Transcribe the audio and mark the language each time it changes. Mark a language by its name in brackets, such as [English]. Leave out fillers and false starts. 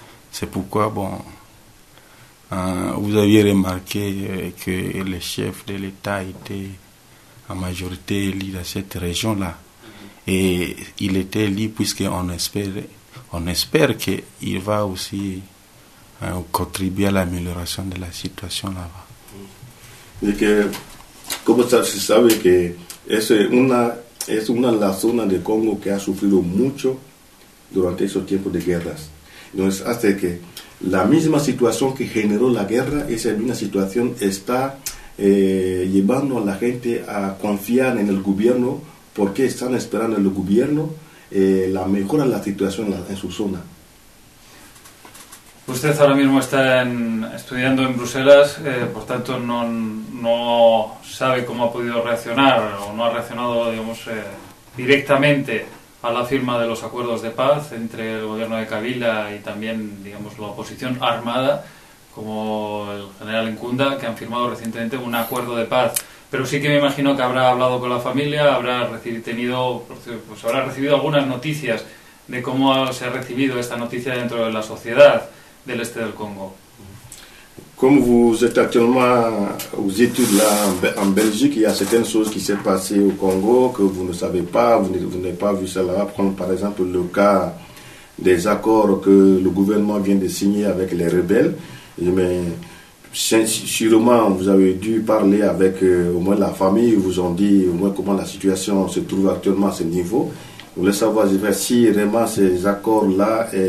[French] C'est pourquoi, vous aviez remarqué que le chef de l'État était en majorité élu dans cette région-là. Et il était élu puisqu'on espère qu'il va aussi contribuer à l'amélioration de la situation là-bas. Et que [Spanish] como se sabe que es una de las zonas de Congo que ha sufrido mucho durante esos tiempos de guerras. Entonces hace que la misma situación que generó la guerra, esa misma situación está llevando a la gente a confiar en el gobierno porque están esperando en el gobierno la mejora de la situación en su zona. Usted ahora mismo está estudiando en Bruselas, por tanto no sabe cómo ha podido reaccionar o no ha reaccionado, digamos, directamente a la firma de los acuerdos de paz entre el gobierno de Kabila y también, digamos, la oposición armada, como el general Nkunda, que han firmado recientemente un acuerdo de paz. Pero sí que me imagino que habrá hablado con la familia, habrá recibido algunas noticias de cómo se ha recibido esta noticia dentro de la sociedad de l'Est del Congo. [French] Comme vous êtes actuellement aux études là en Belgique, il y a certaines choses qui s'est passées au Congo que vous ne savez pas, vous n'avez pas vu cela. Prendre par exemple le cas des accords que le gouvernement vient de signer avec les rebelles. Mais sûrement vous avez dû parler avec au moins la famille, ils vous ont dit au moins comment la situation se trouve actuellement à ce niveau. Vous voulez savoir si vraiment ces accords-là